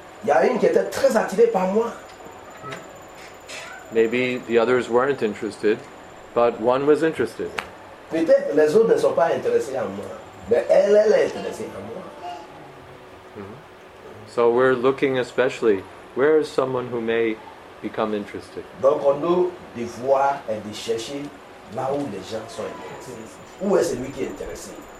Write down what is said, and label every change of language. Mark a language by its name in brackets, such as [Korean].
[French] Il y a une qui était très attirée par moi. [English] Maybe the others weren't interested, but one was interested. [French] Peut-être les autres ne sont pas intéressés à moi, mais elle est intéressée à moi. Mm-hmm. [English] So we're looking especially, where is someone who may become interested. [French] Donc on doit de voir et de chercher là où les gens sont intéressés. Où est celui qui est intéressé?